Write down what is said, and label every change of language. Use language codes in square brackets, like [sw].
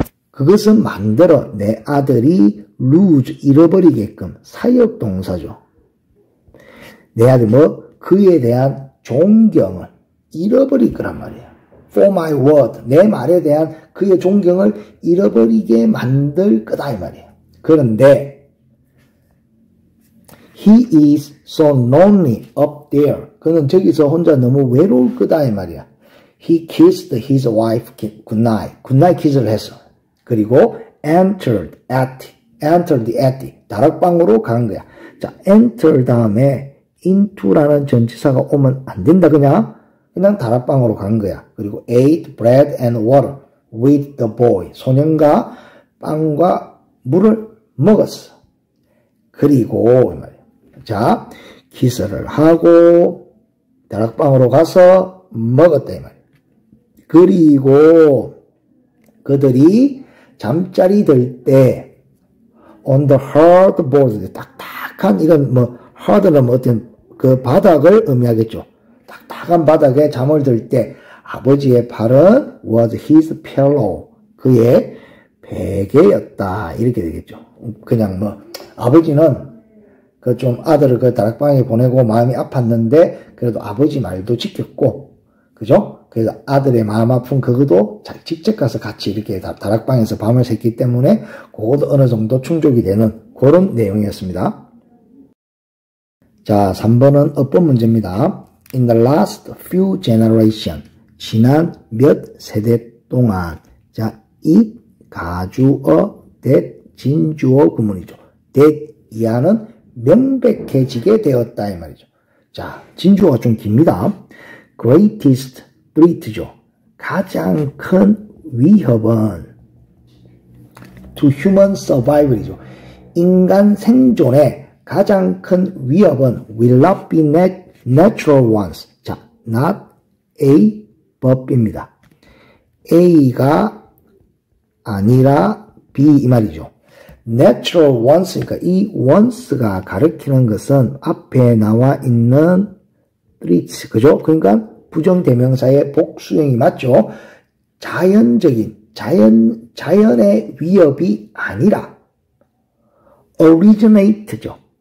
[ko] 그것은 만들어 내 아들이 lose 잃어버리게끔 사역 동사죠. 내 아들 뭐 그에 대한 존경을 잃어버릴 거란 말이야. [en] For my word, [ko] 내 말에 대한 그의 존경을 잃어버리게 만들 거다 이 말이야. 그런데 [en] he is so lonely up there. [ko] 그는 저기서 혼자 너무 외로울 거다 이 말이야. [en] He kissed his wife goodnight. [ko] Goodnight kiss를 했어. 그리고 [en] entered the attic. [ko] 다락방으로 간 거야. 자, enter 다음에 into라는 전치사가 오면 안 된다. 그냥 다락방으로 간 거야. 그리고 [en] ate bread and water with the boy. [ko] 소년과 빵과 물을 먹었어. 그리고 자, kiss를 하고 다락방으로 가서 먹었다 이 말이야. 그리고 그들이 잠자리 들 때 [en] on the hard board [ko] 딱딱한 이건 뭐 hard는 뭐 어떤 그 바닥을 의미하겠죠. 딱딱한 바닥에 잠을 들 때 아버지의 팔은 [en] was his pillow [ko] 그의 베개였다 이렇게 되겠죠. 그냥 뭐 아버지는 그 좀 아들을 그 다락방에 보내고 마음이 아팠는데 그래도 아버지 말도 지켰고 그죠? 그래서 아들의 마음 아픈 그것도 잘 직접 가서 같이 이렇게 다락방에서 밤을 샜기 때문에 그것도 어느 정도 충족이 되는 그런 내용이었습니다. 자, 3번은 어법 문제입니다. [en] In the last few generations, [ko] 지난 몇 세대 동안, 자, it, 가주어, that, 진주어 구문이죠. 대야는 명백해지게 되었다 이 말이죠. 자, 진주어가 좀 깁니다. Greatest threat죠. 가장 큰 위협은 [en] to human survival [ko] 이죠. 인간 생존에 가장 큰 위협은 [en] will not be natural ones. [ko] 자, not a verb입니다. A가 아니라 B 이 말이죠. Natural ones, 그러니까 이 ones가 가리키는 것은 앞에 나와 있는 threats, 그죠? 그러니까 부정대명사의 복수형이 맞죠? 자연적인, 자연의 위협이 아니라 originate죠.